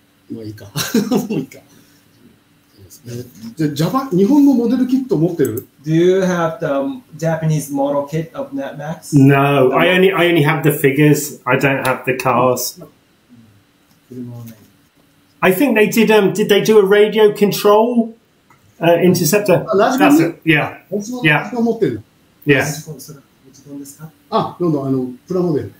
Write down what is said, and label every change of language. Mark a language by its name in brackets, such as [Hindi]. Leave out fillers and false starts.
[Japanese] もういいか。もういいか。そうですね。じゃあ、ジャパン、日本のモデルキット持ってる? [English] Do you have the Japanese model kit of NetMax? No, I only have the figures. I don't have the cars. I think they did, did they do a radio control interceptor? [Japanese] ラジコン? [English] That's it, yeah. [Japanese] ラジコン持ってる? [English] Yeah. [Japanese] ラジコン、それ、ラジコンですか? あ、プラモデル。